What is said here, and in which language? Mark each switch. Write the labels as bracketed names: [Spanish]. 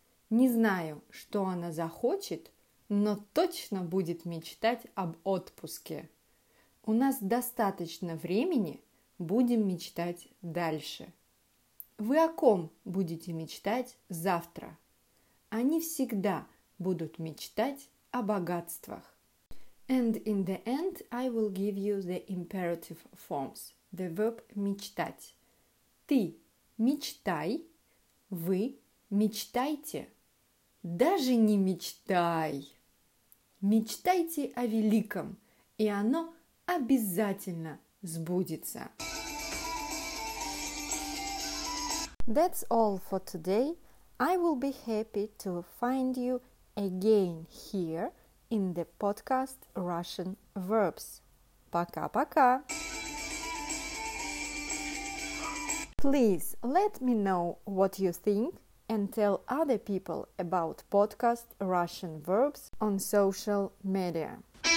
[Russian] Не знаю, что она захочет, но точно будет мечтать об отпуске. У нас достаточно времени, будем мечтать дальше. Вы о ком будете мечтать завтра? Они всегда будут мечтать о богатствах. [English] And in the end, I will give you the imperative forms. The verb [Russian] мечтать. Ты мечтай, вы мечтайте. Даже не мечтай. Мечтайте о великом, и оно обязательно сбудется. [English] That's all for today. I will be happy to find you again here in the podcast Russian Verbs. [Russian] Пока-пока! [English] Please let me know what you think and tell other people about podcast Russian Verbs on social media.